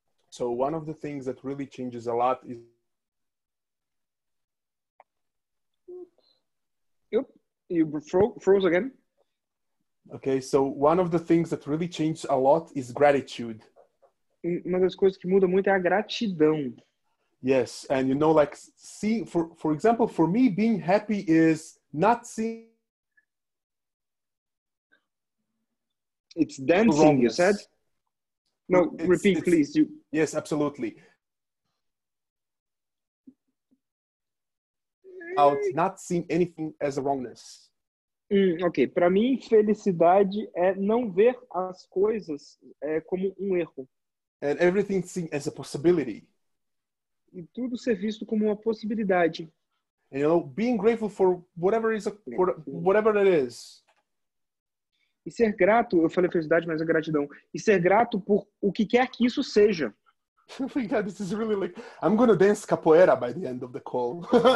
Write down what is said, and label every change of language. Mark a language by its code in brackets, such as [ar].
[en] So one of the things that really changes a lot is... You froze again. Okay, so one of the things that really changed a lot is gratitude. [pt] Uma das coisas que muda muito é a gratidão. [en] Yes, and you know, like, see, for example, for me, being happy is not seeing... It's dancing, wrongness. You said? No, it's, repeat, it's, please. You... Yes, absolutely. Out, not seeing anything as a wrongness. [pt] Ok, para mim, felicidade é não ver as coisas como um erro. [en] And everything seen as a possibility. [pt] E tudo ser visto como uma possibilidade. [en] And, you know, being grateful for whatever is a, for whatever it is. [pt] E ser grato, eu falei felicidade, mas é gratidão. E ser grato por o que quer que isso seja. [en] Oh my God, this is really like, I'm going to dance capoeira by the end of the call.